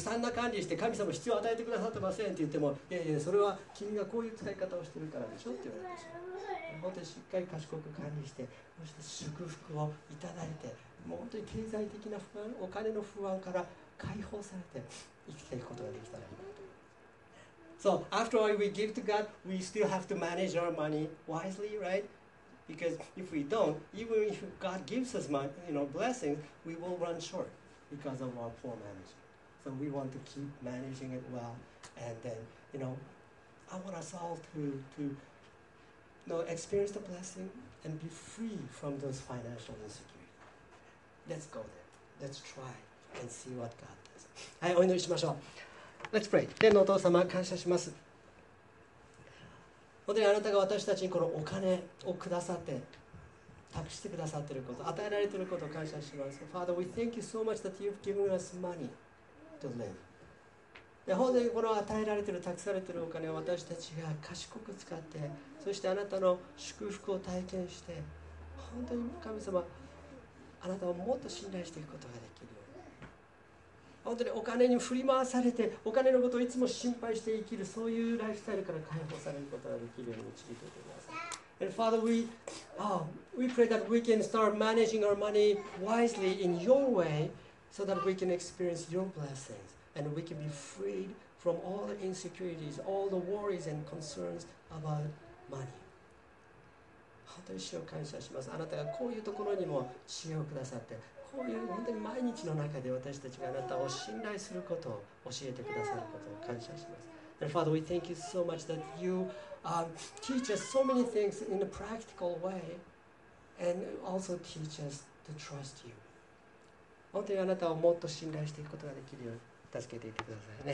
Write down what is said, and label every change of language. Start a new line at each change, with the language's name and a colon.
Japanese: でずさんな管理して、神様必要を与えてくださってませんって言っても、いやいや、それは君がこういう使い方をしてるからでしょって言われてしまう。本当にしっかり賢く管理して、そして祝福をいただいて、もう本当に経済的な不安、お金の不安から解放されて生きていくことができたらいいなと。
English: So after all we give to God, we still have to manage our money wisely, right? Because if we don't, even if God gives us money, you know, blessings, we will run short because of our poor management. So we want to keep managing it well. And then, you know, I want us all to experience the blessing and be free from those financial insecurity. Let's go there. Let's try. And see what God does.
Japanese: はい、お祈りしましょう。
English: Let's pray.
Japanese: 天のお父様、感謝します。本当にあなたが私たちにこのお金をくださって、託してくださっていること、与えられていることを感謝します。
English: Father, we thank you so much that you've given us money to live.
Japanese: で、本当にこの与えられている、託されているお金を私たちが賢く使って、そしてあなたの祝福を体験して、本当に神様、あなたをもっと信頼していくことができる。本当にお金に振り回されて、お金のことをいつも心配して生きる、そういうライフスタイルから解放されることができるように導いてください。
English: And Father, we pray that we can start managing our money wisely in your way so that we can experience your blessings and we can be freed from all the insecurities, all the worries and concerns about money.
Japanese: 本当に主を感謝します。あなたがこういうところにも知恵をくださって、こういう本当に毎日の中で私たちがあなたを信頼することを教えてくださることを感謝します。
English: And Father, we thank you so much that you teach us so many things in a practical way and also teach us to trust you.
Japanese: 本当にあなたをもっと信頼していくことができるように助けていてください。